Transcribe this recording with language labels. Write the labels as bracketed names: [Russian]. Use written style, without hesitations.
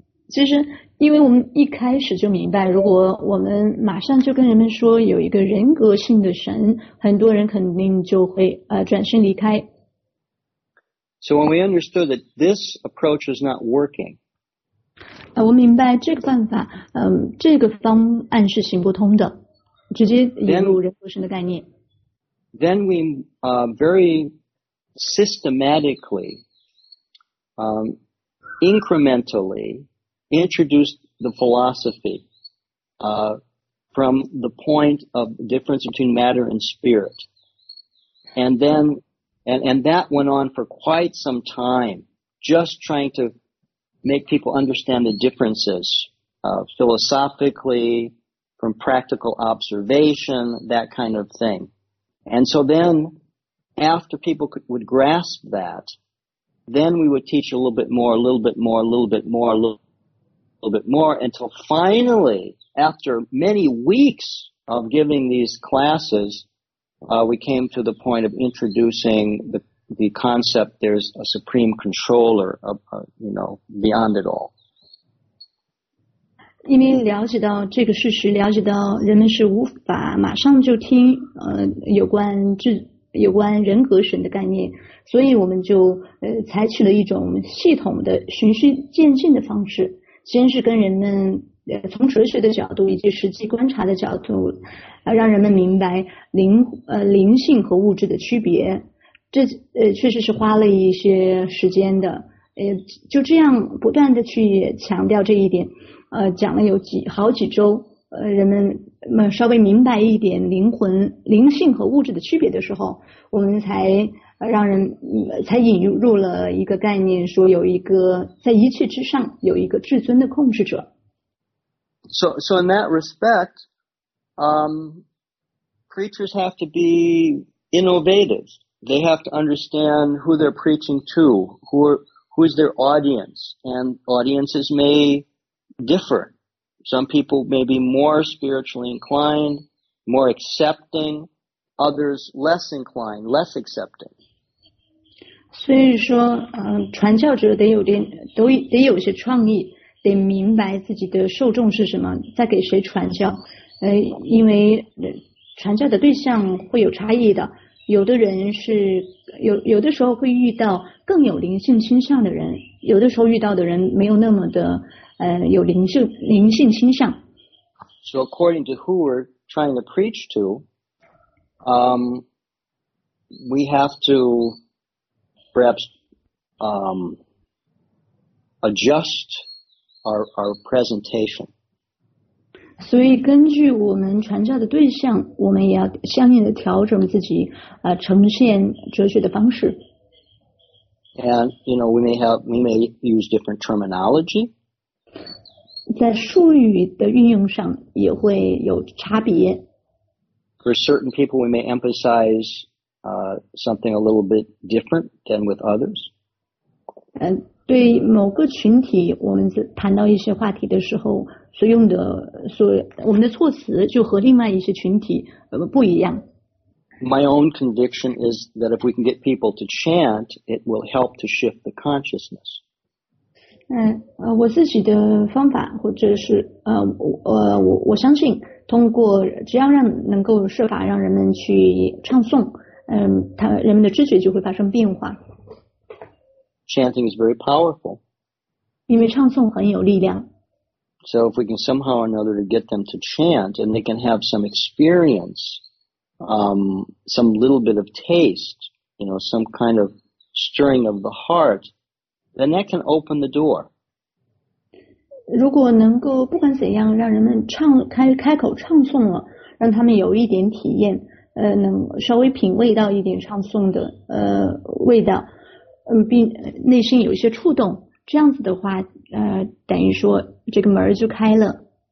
[Chinese] 其实因为我们一开始就明白，如果我们马上就跟人们说有一个人格性的神，很多人肯定就会转身离开。 [English] So when we understood that this approach was not working, [Chinese] 我明白这个办法，这个方案是行不通的，直接引入人格神的概念。 [English] Then we very systematically, incrementally introduced the philosophy from the point of the difference between matter and spirit, and then. And that went on for quite some time, just trying to make people understand the differences, philosophically, from practical observation, that kind of thing. And so then, after people would grasp that, then we would teach a little bit more, a little bit more, a little bit more, a little bit more, until finally, after many weeks of giving these classes, we came to the point of introducing the concept there's a supreme controller, beyond it all. [Chinese] 因为了解到这个事实，了解到人们是无法马上就听有关人格神的概念，所以我们就采取了一种系统的循序渐进的方式，先是跟人们从哲学的角度以及实际观察的角度，让人们明白灵性和物质的区别，这确实是花了一些时间的，就这样不断的去强调这一点。讲了有几好几周，人们稍微明白一点灵性和物质的区别的时候，我们才让人才引入了一个概念，说有一个在一切之上有一个至尊的控制者。 [English] So in that respect, preachers have to be innovative. They have to understand who they're preaching to, who is their audience, and audiences may different. Some people may be more spiritually inclined, more accepting, others less inclined, less accepting. [Chinese] 所以说，传教者得有些创意，得明白自己的受众是什么，在给谁传教。因为传教的对象会有差异的，有的人是有的时候会遇到更有灵性倾向的人，有的时候遇到的人没有那么的有灵性倾向。 [English] So according to who we're trying to preach to, we have to perhaps adjust our presentation. [Chinese] 所以根据我们传教的对象，我们也要相应的调整自己呈现哲学的方式。 [English] And you know, we may use different terminology. [Chinese] 在术语的运用上也会有差别。 [English] For certain people, we may emphasize something a little bit different than with others. [Chinese] 对某个群体，我们谈到一些话题的时候，所用的我们的措辞就和另外一些群体不一样。 [English] My own conviction is that if we can get people to chant, it will help to shift the consciousness. [Chinese] 我自己的方法或者是我相信通过只要让能够设法让人们去唱诵，人们的知觉就会发生变化。 [English] Chanting is very powerful. [Chinese] 因为唱诵很有力量。 [English] So if we can somehow or another to get them to chant and they can have some experience, some little bit of taste, you know, some kind of stirring of the heart,Then that can open the door. [Chinese] 如果能够不管怎样让人们开口唱诵了，让他们有一点体验，能稍微品味到一点唱诵的味道，并内心有一些触动，这样子的话，等于说这个门就开了。